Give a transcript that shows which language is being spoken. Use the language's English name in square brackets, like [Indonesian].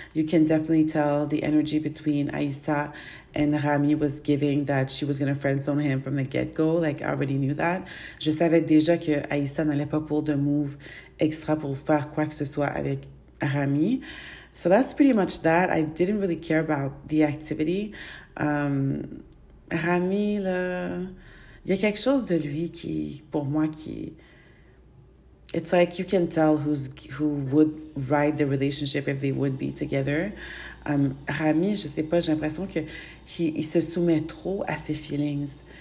[English] You can definitely tell the energy between Aïssa and Rami was giving that she was going to friend zone him from the get-go. Like, I already knew that. [French] Je savais déjà que Aïssa n'allait pas pour de move extra pour faire quoi que ce soit avec Rami. [English] So that's pretty much that. I didn't really care about the activity. [French] Rami, là, il y a quelque chose de lui qui, pour moi, qui. [English] It's like you can tell who would ride the relationship if they would be together. [French] Rami, je sais pas, j'ai l'impression que il se soumet trop à ses feelings.